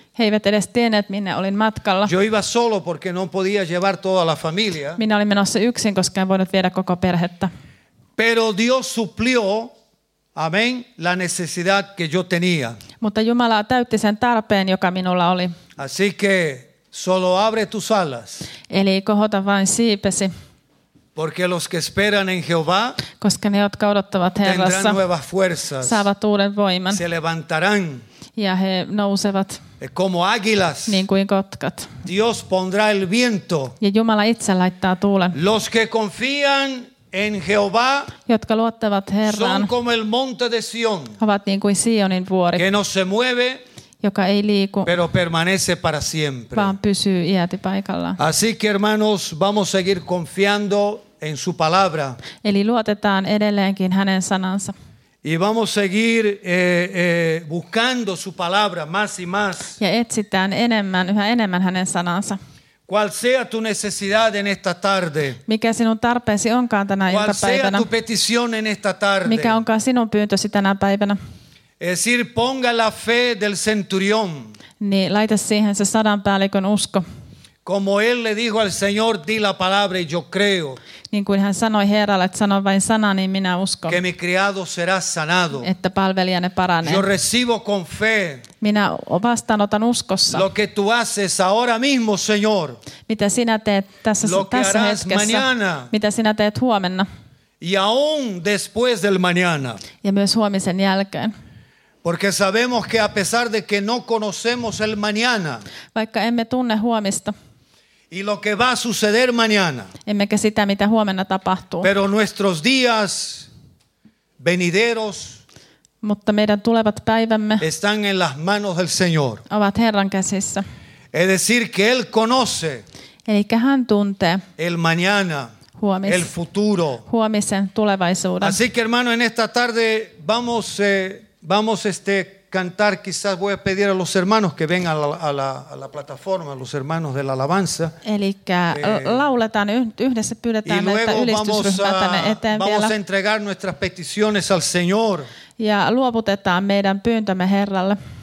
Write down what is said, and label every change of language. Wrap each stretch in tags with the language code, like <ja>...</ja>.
<fi>He eivät edes tienneet, minne olin matkalla.</fi> <es>Yo iba solo porque no podía llevar toda la familia.</es> <fi>Minä olin menossa yksin, koska en voinut viedä koko perhettä.</fi> <es>Pero Dios suplió, amén, la necesidad que yo tenía.</es> <fi>Mutta Jumala täytti sen tarpeen, joka minulla oli.</fi> <es>Así que solo abre tus alas.</es> <fi>Eli kohota vain siipesi.</fi> <es>Porque los que esperan en Jehová,</es> <fi>koska ne, jotka odottavat Herrassa,</fi> <es>tendrán nuevas fuerzas,</es> <fi>saavat uuden voiman,</fi> <es>se levantarán.</es> <fi>Ja he nousevat.</fi> <es>Como águilas.</es> <fi>Niin kuin kotkat.</fi> <es>Dios pondrá el viento.</es> <fi>Ja Jumala itse laittaa tuulen.</fi> <es>Los que confían en Jehová,</es> <fi>jotka luottavat Herraan,</fi> <es>son como el monte de Sion,</es> <fi>ovat niin kuin Sionin vuori,</fi> <es>que no se mueve,</es> <fi>joka ei liiku,</fi> <es>pero permanece para siempre,</es> <fi>vaan pysyy iäti paikallaan.</fi> <es>Así que hermanos, vamos a seguir confiando en su palabra.</es> <fi>Eli luotetaan edelleenkin hänen sanansa.</fi> <es>Y vamos a seguir buscando su palabra más y más.</es> <fi>Ja etsitään enemmän, yhä enemmän hänen sanansa.</fi> <es>Cual sea tu necesidad en esta tarde.</es> <fi>Mikä sinun tarpeesi onkaan tänä iltapäivänä.</fi> <es>Cual sea tu petición en esta tarde.</es> <fi>Mikä onkaan sinun pyyntösi tänä päivänä.</fi> <es>Esir, ponga la fe del centurión.</es> <fi>Niin, laita siihen se sadan päällikön usko.</fi> <es>Como él le dijo al Señor, di la palabra y yo creo.</es> <fi>Niin kuin hän sanoi Herralle, että sano vain sana, niin minä uskon.</fi> <es>Que mi criado será sanado.</es> <fi>Että palvelijanne paranee.</fi> <es>Yo recibo con fe.</es> <fi>Minä vastaanotan uskossa.</fi> <es>Lo que tú haces ahora mismo, Señor.</es> <fi>Mitä sinä teet tässä hetkessä.</fi> <es>Mañana.</es> <fi>Mitä sinä teet huomenna.</fi> <es>Y aún después del mañana.</es> <fi>Ja myös huomisen jälkeen.</fi> <es>Porque sabemos que a pesar de que no conocemos el mañana,</es> <fi>vaikka emme tunne huomista,</fi> <es>y lo que va a suceder mañana,</es> <fi>emmekä sitä, mitä huomenna tapahtuu,</fi> <es>pero nuestros días venideros,</es> <fi>mutta meidän tulevat päivämme,</fi> <es>están en las manos del Señor,</es> <fi>ovat Herran käsissä,</fi> <es>es decir que él conoce,</es> <fi>elikkä hän tuntee,</fi> <es>el mañana,</es> <fi>huomisen,</fi> <es>el futuro,</es> <fi>huomisen, tulevaisuuden.</fi> <es>Así que hermano, en esta tarde vamos vamos a cantar, quizás voy a pedir a los hermanos que vengan a la plataforma, los hermanos de la alabanza.</es> <fi>Elikkä lauletaan yhdessä, pyydetään, että ylistysryhmä tänne eteen</fi> <es>vamos</es> <fi>vielä.</fi> <es>A entregar nuestras peticiones al Señor.</es> <fi>Ja luovutetaan meidän pyyntömme Herralle.</fi>